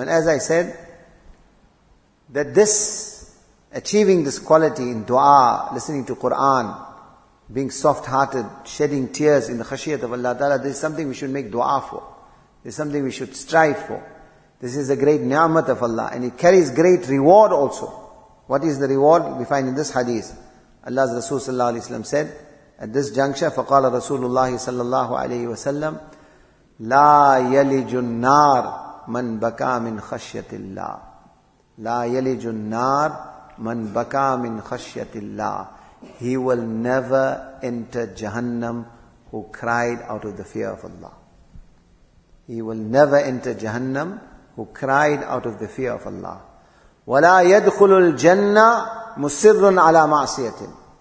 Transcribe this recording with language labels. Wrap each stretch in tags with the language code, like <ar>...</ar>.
<en>And as I said, that this, achieving this quality in dua, listening to Qur'an, being soft-hearted, shedding tears in the khashiyat of Allah Ta'ala, this is something we should make dua for. This is something we should strive for. This is a great ni'mat of Allah, and it carries great reward also. What is the reward? We find in this hadith. Allah's Rasul sallallahu alayhi wa sallam said, at this juncture,</en> <ar>فَقَالَ رَسُولُ اللَّهِ صَلَّى اللَّهُ عَلَيْهِ وَسَلَّمْ لَا يَلِجُ النَّارِ مَنْ بَكَى مِنْ خَشْيَةِ اللَّهِ. لَا يَلِجُ النَّارِ مَنْ بَكَى مِنْ خَشْيَةِ اللَّهِ.</ar> <en>He will never enter Jahannam who cried out of the fear of Allah. He will never enter Jahannam who cried out of the fear of Allah.</en> <ar>وَلَا يَدْخُلُ الْجَنَّةِ مُسِرٌ عَلَىٰ مَعْصِيَةٍ.</ar>